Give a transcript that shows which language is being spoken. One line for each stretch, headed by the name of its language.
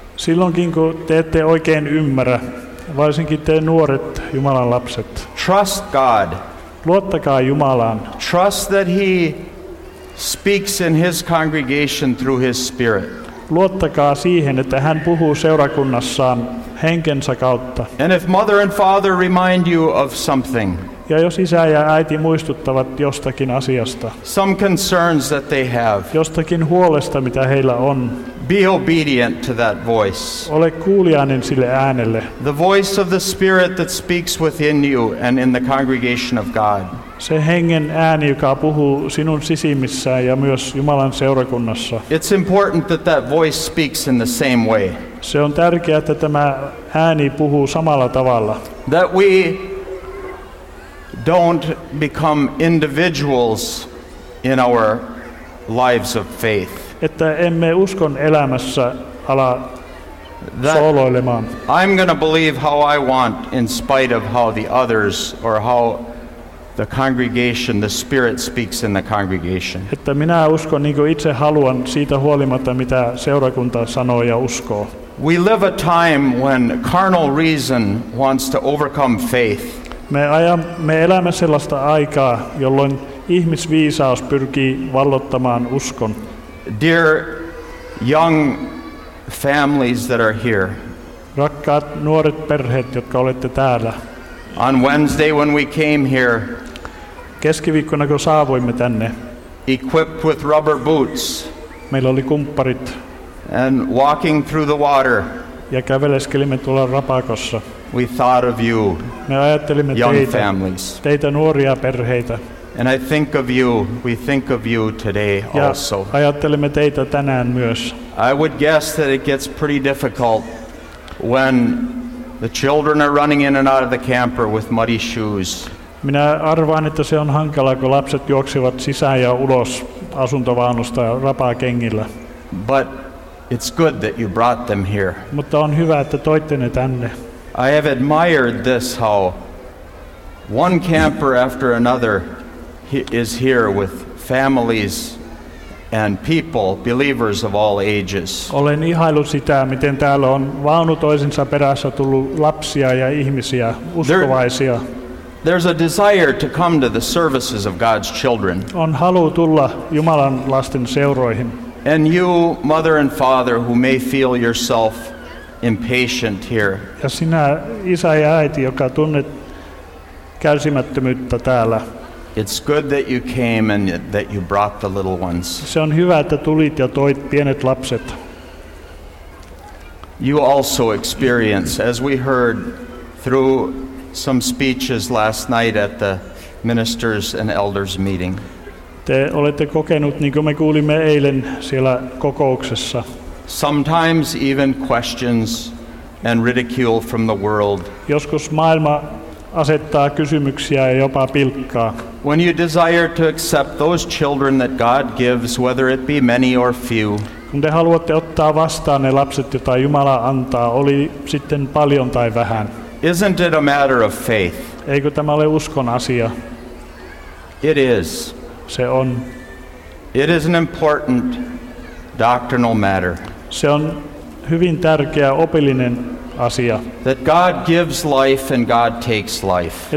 Finnish: Silloinkin kun te ette oikein ymmärrä, varsinkin te nuoret Jumalan lapset.
English: Trust God.
Finnish: Luottakaa Jumalaan.
English: Trust that he speaks in his congregation through his Spirit.
Finnish: Luottakaa siihen, että hän puhuu seurakunnassaan henkensä kautta.
English: And if mother and father remind you of something.
Finnish: Ja jos isä ja äiti muistuttavat jostakin asiasta.
English: Some concerns that they have.
Finnish: Jostakin huolesta, mitä heillä on.
English: Be obedient to that voice.
Finnish: Ole kuuliainen sille äänelle.
English: The voice of the Spirit that speaks within you and in the congregation of God.
Finnish: Se hengen ääni, joka puhuu sinun sisimmissään ja myös Jumalan seurakunnassa.
English: It's important that that voice speaks in the same way.
Finnish: Se on tärkeää, että tämä ääni puhuu samalla tavalla.
English: That we don't become individuals in our lives of faith.
Finnish: Että emme uskon elämässä ala sooloilemaan.
English: I'm going to believe how I want in spite of how the others or how the congregation, the Spirit speaks in the congregation.
Finnish: Että minä uskon niin kuin itse haluan siitä huolimatta, mitä seurakunta sanoo ja uskoo.
English: We live a time when carnal reason wants to overcome faith.
Finnish: Me elämme sellaista aikaa, jolloin ihmisviisaus pyrkii vallottamaan uskon.
English: Dear young families that are here.
Finnish: Rakkaat nuoret perheet, jotka olette täällä.
English: On Wednesday when we came here.
Finnish: Keskiviikkona kun saavuimme tänne.
English: Equipped with rubber boots.
Finnish: Meillä oli kumpparit.
English: And walking through the water.
Finnish: Ja käveleskelimme tuolla rapakossa.
English: We thought of you.
Finnish: Me ajattelimme
English: young
Finnish: teitä,
English: families.
Finnish: Teitä nuoria perheitä.
English: And I think of you. We think of you today
Finnish: ja
English: also.
Finnish: Ajattelimme teitä tänään myös.
English: I would guess that it gets pretty difficult when the children are running in and out of the camper with muddy shoes.
Finnish: Minä arvaan, että se on hankalaa, kun lapset juoksivat sisään ja ulos asuntovaunusta rapaa kengillä.
English: But it's good that you brought them here.
Finnish: Mutta on hyvä, että toitte ne tänne.
English: I have admired this, how one camper after another is here with families and people, believers of all ages.
Finnish: Olen ihaillut sitä, miten täällä on vaunu toisensa perässä tullut lapsia ja ihmisiä, uskovaisia.
English: There's a desire to come to the services of God's children.
Finnish: On halu tulla Jumalan lasten seuroihin.
English: And you, mother and father, who may feel yourself impatient here.
Finnish: Ja sinä, isä ja äiti, joka tunnet kärsimättömyyttä täällä.
English: It's good that you came and that you brought the little ones.
Finnish: Se on hyvä, että tulit ja toit pienet lapset.
English: You also experience, as we heard through some speeches last night at the ministers and elders meeting.
Finnish: Te olette kokenut, niin kuin me kuulimme eilen siellä kokouksessa.
English: Sometimes even questions and ridicule from the world.
Finnish: Joskus maailma asettaa kysymyksiä ja jopa pilkkaa.
English: When you desire to accept those children that God gives, whether it be many or few.
Finnish: Kun te haluatte ottaa vastaan ne lapset, joita Jumala antaa, oli sitten paljon tai vähän.
English: Isn't it a matter of faith?
Finnish: Eikö tämä ole uskon asia?
English: It is.
Finnish: Se on.
English: It is an important doctrinal matter.
Finnish: Se on hyvin tärkeä opillinen asia.
English: That God gives life and God takes life.